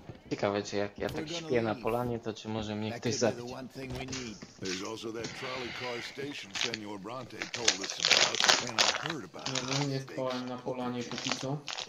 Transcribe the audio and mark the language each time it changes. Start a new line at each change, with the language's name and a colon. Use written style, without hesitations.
Polish: Ciekawe, czy jak ja tak śpię na polanie, to czy może mnie ktoś zabić.
English: There's also that trolley car station Senor Bronte told us about, and I heard about it.
Polish: Nie spałem na polanie póki co.